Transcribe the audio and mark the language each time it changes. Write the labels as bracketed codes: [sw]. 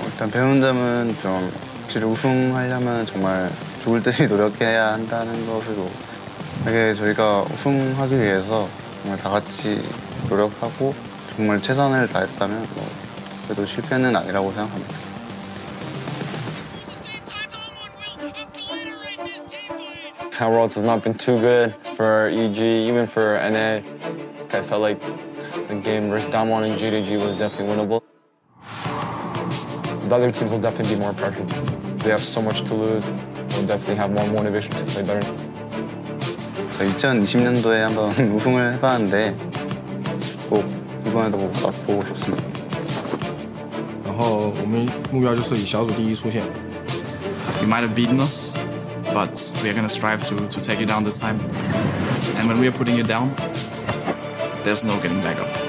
[ko] 배운 점은 좀 진짜 우승하려면 정말 죽을 듯이 노력해야 한다는 것으로 이게 저희가 우승하기 위해서 정말 다 같이 노력하고 정말 최선을 다했다면 뭐 그래도 실패는 아니라고 생각합니다. [en] Our worlds has not been too good for EG, even for NA. I felt like the game versus Damwon and GDG was definitely winnable. The other teams will definitely be more pressured. They have so much to lose. They'll definitely have more motivation to play better. [ko] 2020년도에 한번 우승을 해봤는데 꼭 이번에도 꼭 맛보고 싶습니다. [zh] 然后我们目标就是以小组第一出现. [en] You might have beaten us. But we are going to strive to take you down this time. And when we are putting you down, there's no getting back up.